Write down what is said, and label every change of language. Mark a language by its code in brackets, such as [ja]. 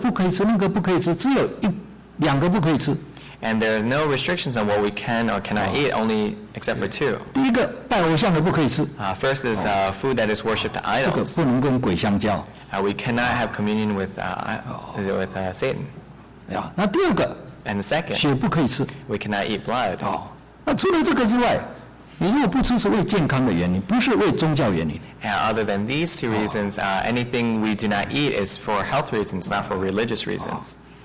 [zh] 所以这个就没有规条说这个不可以吃，那个不可以吃，只有两个不可以吃。 [en] And there are no restrictions on what we can or cannot eat, only except for two. [zh] 第一个，拜偶像的不可以吃。 [en] First is food that is worshipped to idols. [zh] 这个不能跟鬼相交。 [en] We cannot have communion with Satan. [zh] 那第二个, [en] and the second, [zh] 血不可以吃。 [en] We cannot eat blood. [zh] 那除了这个之外, 你如果不吃是为健康的原因，不是为宗教原因。 [en] And other than these two reasons, anything we do not eat is for health reasons, not for religious reasons.